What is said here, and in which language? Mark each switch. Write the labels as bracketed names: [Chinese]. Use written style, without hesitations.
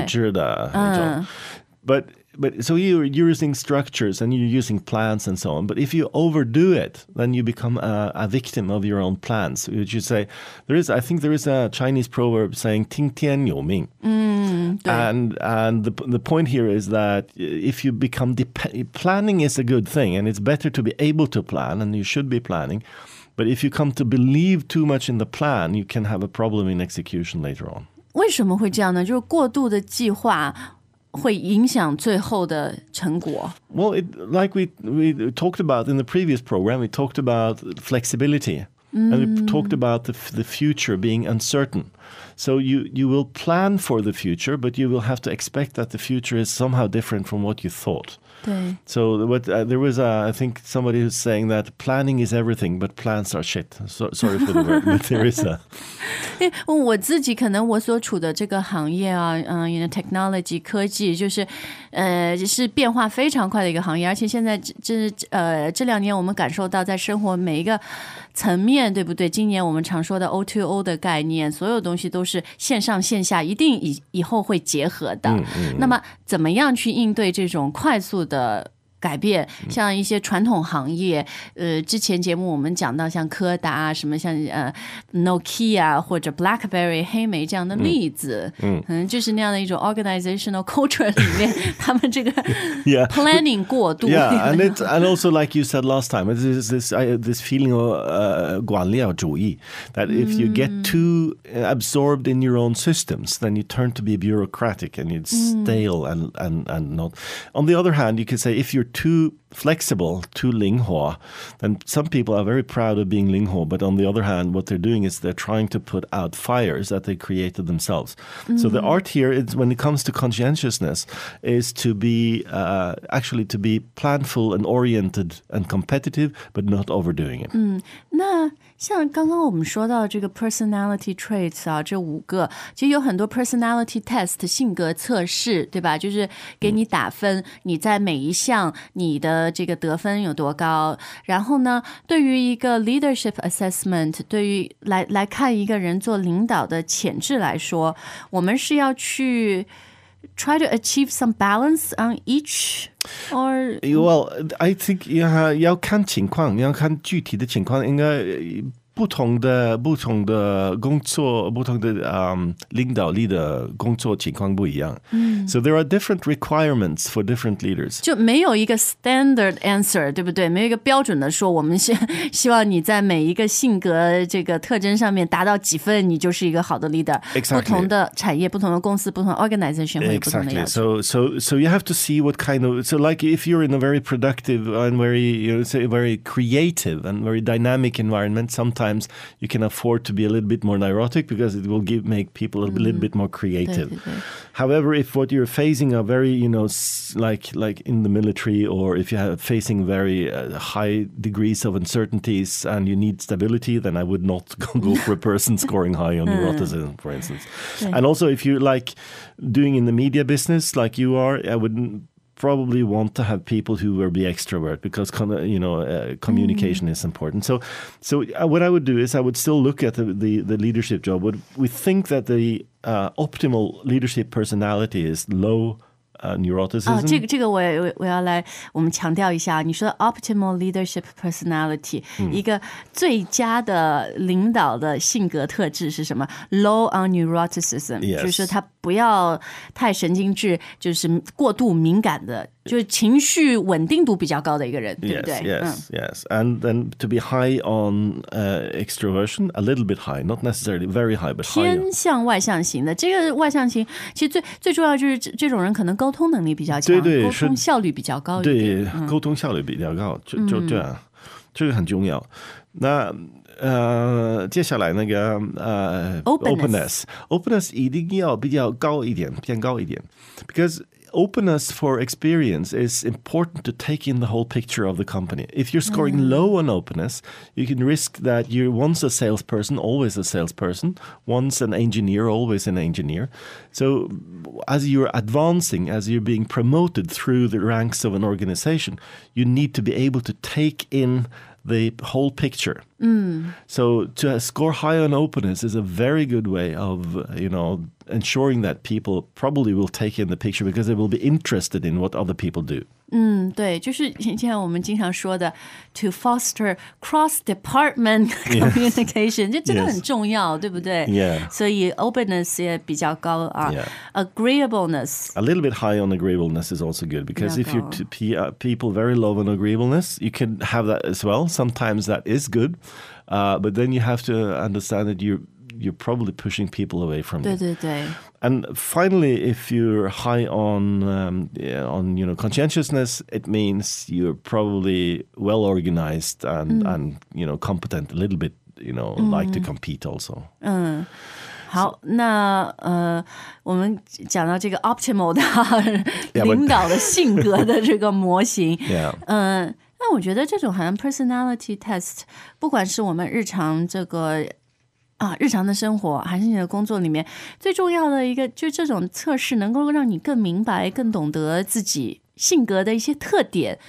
[Chinese] 组织的那种、 [English] But so you're using structures and you're using plans and so on. But if you overdo it, then you become a victim of your own plans. Which you say, I think there is a Chinese proverb saying, [Chinese] 听天由命. [English] And the point here is that if you become, planning is a good thing and it's better to be able to plan and you should be planning. But if you come to believe too much in the plan, you can have a problem in execution later on. [Chinese] 为什么会这样呢?就是过度的计划。会影响最后的成果。 [English] Well, like we talked about in the previous program, we talked about flexibility, and we talked about the future being uncertain. So you will plan for the future, but you will have to expect that the future is somehow different from what you thought. [Chinese] 对。 [English] So there was I think somebody who's saying that planning is everything, but plans are shit. So, sorry for the word, but there is a. [Chinese] 我自己可能我所处的这个行业啊， [English] you know, technology [Chinese] 科技就是，是变化非常快的一个行业，而且现在这两年我们感受到在生活每一个层面，对不对？今年我们常说的 O2O 的概念，所有东西都是线上线下，一定以后会结合的。那么怎么样去应对这种快速的改变，像一些传统行业，之前节目我们讲到像柯达啊，什么像Nokia 或者 BlackBerry 黑莓这样的例子，就是那样的一种 [English] organizational culture [Chinese] 里面，他们这个 planning 过度。 [English] Yeah, and it's and also like you said last time, this feeling of [Chinese] 管理主义 [English] that if you get too absorbed in your own systems, then you turn to be bureaucratic and it's stale and not. On the other hand, you can say if you're too flexible, too [Chinese] 灵活, [English] then some people are very proud of being 灵活, but on the other hand, what they're doing is they're trying to put out fires that they created themselves. So the art here, is, when it comes to conscientiousness, is to be, actually to be planful and oriented and competitive, but not overdoing it. [Chinese] 那像刚刚我们说到这个 personality traits 啊，这五个，其实有很多 personality test 性格测试，对吧？就是给你打分，你在每一项你的这个得分有多高？然后呢，对于一个 leadership assessment， 对于来看一个人做领导的潜质来说，我们是要去 [English] try to achieve some balance on each。 Or, [Chinese] well, I think 要看情况，要看具体的情况，应该不同的工作，不同的领导力的工作情况不一样。 [English] So there are different requirements for different leaders. [Chinese] 就没有一个 [English] standard answer， [Chinese] 对不对？没有一个标准的说，我们希望你在每一个性格这个特征上面达到几分，你就是一个好的 leader。 [English] Exactly. [Chinese] 不同的产业、不同的公司、不同的 organization 会有不同的要求。 [English] Exactly. So you have to see what kind of so like if you're in a very productive and very you know, say very creative and very dynamic environment, sometimes you can afford to be a little bit more neurotic because it will make people a little bit more creative. [Chinese] 对。 [English] However, if what you're facing are very, you know, like in the military or if you're facing very high degrees of uncertainties and you need stability, then I would not go for a person scoring high on neuroticism, for instance. [Chinese] 对。 [English] And also if you like doing in the media business like you are, I wouldn't probably want to have people who will be extrovert because you know communication is important. So what I would do is I would still look at the leadership job. But we think that the optimal leadership personality is low neuroticism. [Chinese] 这个我要来我们强调一下，你说的 [English] optimal leadership personality [Chinese] 一个最佳的领导的性格特质是什么？ [English] Low on neuroticism， yes. [Chinese] 就是他不要太神经质，就是过度敏感的，就是情绪稳定度比较高的一个人，对不对？ [English] Yes. And then to be high on extroversion, a little bit high, not necessarily very high, but higher. [Chinese] 偏向外向型的，这个外向型其实最重要就是这种人可能沟通能力比较强，对，沟通效率比较高一点。对，沟通效率比较高，就这样，这个很重要。那接下来那个 [English] openness [Chinese] 一定要比较高一点，偏高一点 [English] ，because openness for experience is important to take in the whole picture of the company. If you're scoring low on openness, you can risk that you're once a salesperson, always a salesperson, once an engineer, always an engineer. So as you're advancing, as you're being promoted through the ranks of an organization, you need to be able to take in the whole picture. So to score high on openness is a very good way of, you know, ensuring that people probably will take in the picture because they will be interested in what other people do. [Chinese] 对，就是像我们经常说的 [English] to foster cross-department communication, [Chinese] 这真的很重要，对不对？ [English] Yeah. [Chinese] 所以 openness 也比较高啊。 [English] Yeah. Agreeableness. A little bit high on agreeableness is also good because if you're people very low on agreeableness, you can have that as well. Sometimes that is good. But then you have to understand that you're probably pushing people away from it. [Chinese] 对。 [English] And finally, if you're high on you know, conscientiousness, it means you're probably well organized and you know, competent, a little bit, you know, like to compete also. [Chinese] 好，那我们讲到这个 optimal 的领导的性格的这个模型。那我觉得这种好像 personality test， 不管是我们日常这个日常的生活还是你的工作里面，最重要的一个就是这种测试能够让你更明白、更懂得自己性格的一些特点，